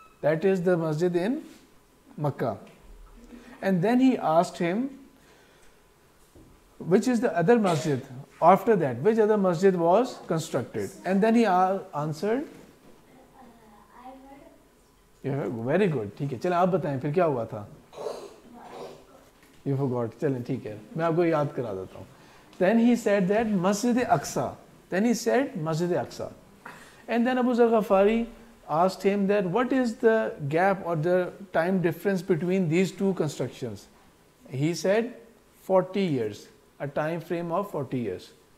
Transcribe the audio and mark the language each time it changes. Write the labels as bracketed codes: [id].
[en] That is the masjid in Makkah. And then he asked him, which is the other masjid? After that, which other masjid was constructed? And then he answered, yeah, very good. [hi] ठीक है, चलें आप बताएं फिर क्या हुआ था? [en] You forgot. [hi] चलें ठीक है, मैं आपको याद करा देता हूँ. [en] Then he said that Masjid Al-Aqsa. Then he said Masjid Al-Aqsa. And then Abu Zar Ghaffari asked him that what is the gap or the time difference between these two constructions? He said 40 years. A time frame of 40 years.